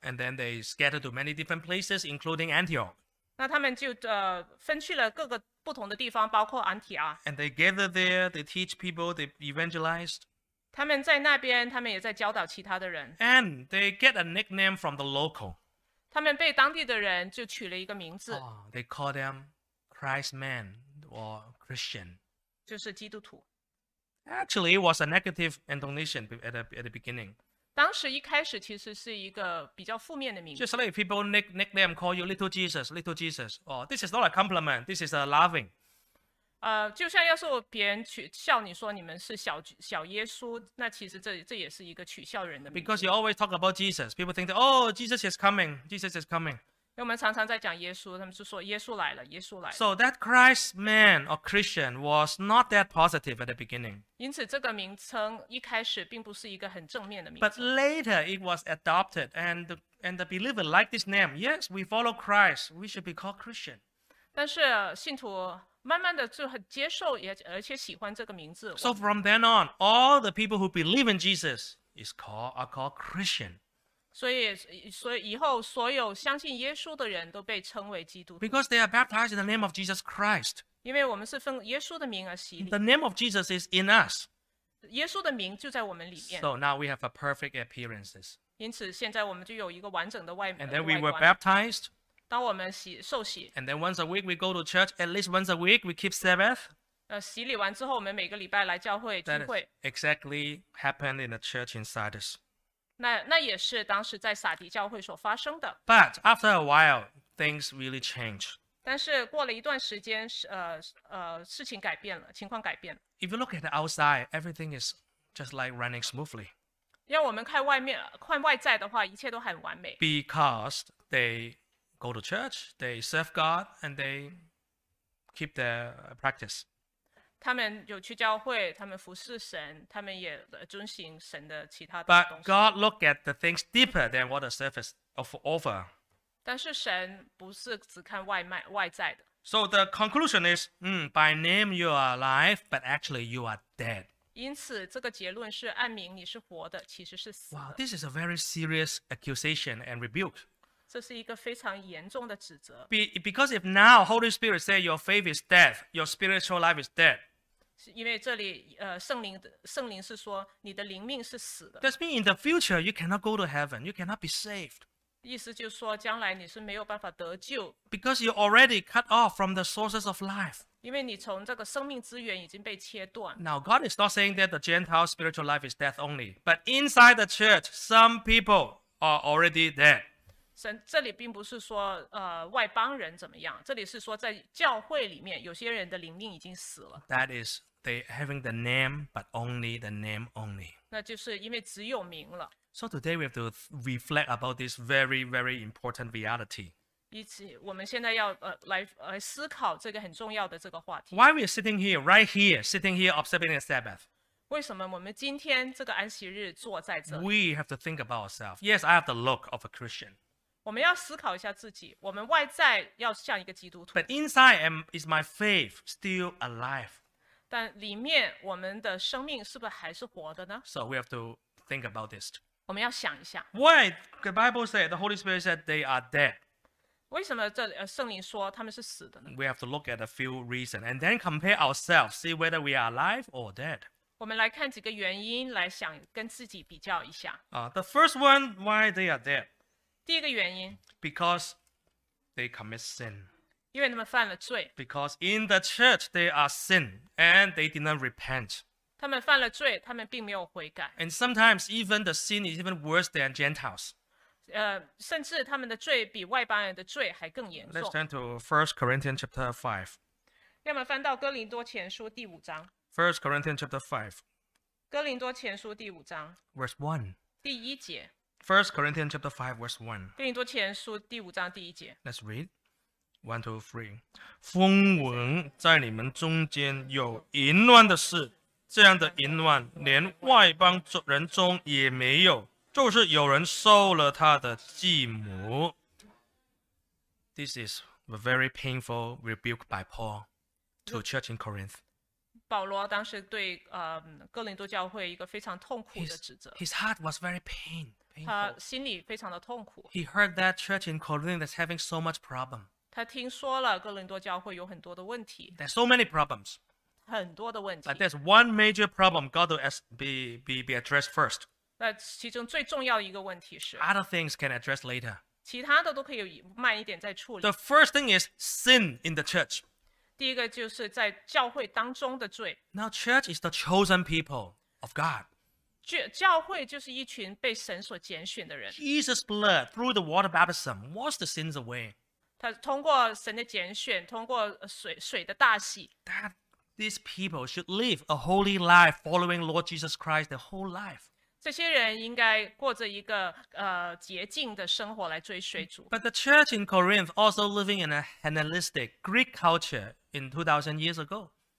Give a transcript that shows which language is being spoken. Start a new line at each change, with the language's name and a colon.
English: And then they scattered to many different places, including Antioch.
Chinese: 那他们就分去了各个不同的地方，包括安提阿。
English: And they gathered there, they teach people, they evangelized.
Chinese: 他们在那边，他们也在教导其他的人。
English: And they get a nickname from the local.
Chinese: 他们被当地的人就取了一个名字。
English: They call them Christ man or Christian.
Chinese: 就是基督徒。
English: Actually, it was a negative intonation at the beginning.
Chinese: 当时一开始其实是一个比较负面的名字。
English: Just like people nickname call you little Jesus, little Jesus. Oh, this is not a compliment. This is a laughing.
Chinese: 就像要是别人笑你说你们是 小耶稣，那其实 这也是一个取笑人的名字。
English: Because you always talk about Jesus, people think that, oh, Jesus is coming, Jesus is coming.
Chinese: 因为我们常常在讲耶稣，他们就说耶稣来了，耶稣来了。
English: So that Christ man or Christian was not that positive at the beginning.
Chinese: 因此这个名称一开始并不是一个很正面的名字。
English: But later it was adopted and the believer liked this name. Yes, we follow Christ, we should be called Christian.
Chinese: 但是信徒慢慢的就很接受也而且喜欢这个名字。
English: So from then on, all the people who believe in Jesus are called Christian.
Chinese: 所以以后所有相信耶稣的人都被称为基督徒。
English: Because they are baptized in the name of Jesus Christ.
Chinese: 因为我们是奉耶稣的名而洗礼。
English: The name of Jesus is in us.
Chinese: 耶稣的名就在我们里面。
English: So now we have a perfect appearances.
Chinese: 因此现在我们就有一个完整的外观。
English: And then we were baptized.
Chinese: 当我们洗受洗。
English: And then once a week we go to church. At least once a week we keep Sabbath.
Chinese: 洗礼完之后，我们每个礼拜来教会聚会。
English: Exactly happened in the church in Sardis.
Chinese: 那也是当时在撒迪教会所发生的。
English: But after a while, things really changed.
Chinese: 但是过了一段时间，事情改变了，情况改变了。
English: If you look at the outside, everything is just like running smoothly.
Chinese: 要我们看外面，看外在的话，一切都很完美。
English: Because they go to church, they serve God, and they keep their practice.
Chinese: 他们有去教会，他们服侍神，他们也遵行神的其他的东西。
English: But God look at the things deeper than what the surface of offer.
Chinese: 但是神不是只看外在的。
English: So the conclusion is, by name you are alive, but actually you are dead.
Chinese: 因此这个结论是按名你是活的其实是死的。
English: Wow, this is a very serious accusation and rebuke.
Chinese: 这是一个非常严重的指责。
English: Because if now Holy Spirit say your faith is dead, your spiritual life is dead.
Chinese: 因为这里圣灵是说你的灵命是死的。
English: That means in the future you cannot go to heaven, you cannot be saved.
Chinese: 意思就是说将来你是没有办法得救。
English: Because you already cut off from the sources of life.
Chinese: 因为你从这个生命资源已经被切断。
English: Now God is not saying that the Gentile spiritual life is death only, but inside the church, some people are already dead.
Chinese: 神这里并不是说外邦人怎么样，这里是说在教会里面有些人的灵命已经死了。
English: That is they having the name, but only the name only.
Chinese: 那就是因为只有名了。
English: So today we have to reflect about this very, very important reality.
Chinese: 我们现在要来思考这个很重要的这个话题。
English: Why we are sitting here, right here, sitting here observing the Sabbath?
Chinese: 为什么我们今天这个安息日坐在这里？
English: We have to think about ourselves. Yes, I have the look of a Christian.
Chinese: 我们要思考一下自己，我们外在要像一个基督徒。
English: But inside, is my faith still alive?
Chinese: 但里面我们的生命是不是还是活的呢？
English: So we have to think about this.
Chinese: 我们要想一下。
English: Why the Bible said, the Holy Spirit said they are dead?
Chinese: 为什么这圣灵说他们是死的呢？
English: We have to look at a few reasons and then compare ourselves, see whether we are alive or dead.
Chinese: 我们来看几个原因，来想跟自己比较一下。
English: The first one, why they are dead?
Chinese: 第一个原因。
English: Because they commit sin.
Chinese: 因为他们犯了罪。
English: Because in the church they are sin and they did not repent.
Chinese: 他们犯了罪，他们并没有悔改。
English: And sometimes even the sin is even worse than Gentiles.
Chinese: 甚至他们的罪比外邦人的罪还更严重。
English: Let's turn to 1 Corinthians chapter 5.
Chinese: 要么翻到哥林多前书第五章。
English: 1 Corinthians chapter 5.
Chinese: 哥林多前书第五章。
English: Verse 1.
Chinese: 第一节。
English: 1 Corinthians chapter 5, verse 1.
Chinese: 哥林多前书第五章第一节。
English: Let's read. 1, 2, 3.
Chinese: 风闻在你们中间有淫乱的事，这样的淫乱连外邦人中也没有。就是有人收了他的继母。
English: This is a very painful rebuke by Paul to church in Corinth.
Chinese: 保罗当时对哥林多教会一个非常痛苦的指责。
English: His heart was very painful.
Chinese: 他心里非常的痛苦。
English: He heard that church in Corinth is having so much problem.
Chinese: 他听说了哥林多教会有很多的问题。
English: There's so many problems.
Chinese: 很多的问题。
English: But there's one major problem got to be addressed first.
Chinese: 其中最重要的一个问题是
English: Other things can address later.
Chinese: 其他的都可以慢一点再处理。
English: The first thing is sin in the church.
Chinese: 第一个就是在教会当中的罪。
English: Now church is the chosen people of God.
Chinese: 教会就是一群被神所拣选的人。
English: Jesus' blood through the water baptism washed the sins away.
Chinese: 他通过神的拣选，通过水的大洗。
English: That these people should live a holy life following Lord Jesus Christ their whole life.
Chinese: 这些人应该过着一个洁净的生活来追随主。
English: But the church in Corinth also living in a Hellenistic Greek culture in 2000 years ago.